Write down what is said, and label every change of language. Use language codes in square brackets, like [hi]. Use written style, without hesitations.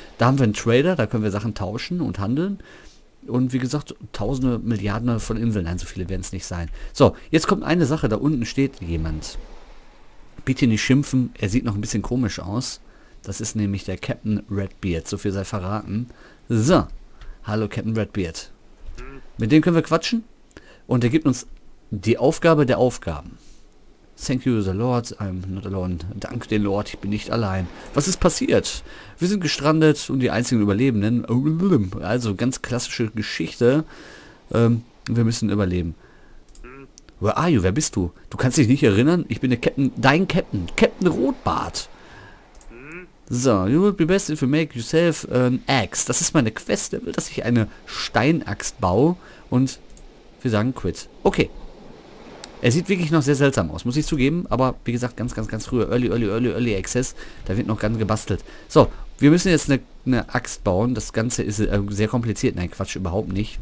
[de] Da haben wir einen Trader, da können wir Sachen tauschen und handeln. Und wie gesagt, tausende, Milliarden von Inseln. Nein, so viele werden es nicht sein. So, jetzt kommt eine Sache. Da unten steht jemand. Bitte nicht schimpfen. Er sieht noch ein bisschen komisch aus. Das ist nämlich der Captain Redbeard. So viel sei verraten. So, hallo Captain Redbeard. Mit dem können wir quatschen. Und er gibt uns die Aufgabe der Aufgaben. [en] Thank you, the Lord. I'm not alone. [de] Dank den Lord, ich bin nicht allein. Was ist passiert? Wir sind gestrandet und die einzigen Überlebenden. Also ganz klassische Geschichte. Wir müssen überleben. [en] Where are you? [de] Wer bist du? Du kannst dich nicht erinnern? Ich bin der Captain. Dein Captain. Captain Rotbart. [en] So, you would be best if you make yourself an axe. [de] Das ist meine Quest. Er will, dass ich eine Steinaxt baue. Und wir sagen quit. Okay. Er sieht wirklich noch sehr seltsam aus, muss ich zugeben. Aber wie gesagt, ganz, ganz, ganz früher. Early Access. Da wird noch ganz gebastelt. So, wir müssen jetzt eine Axt bauen. Das Ganze ist sehr kompliziert. Nein, Quatsch, überhaupt nicht.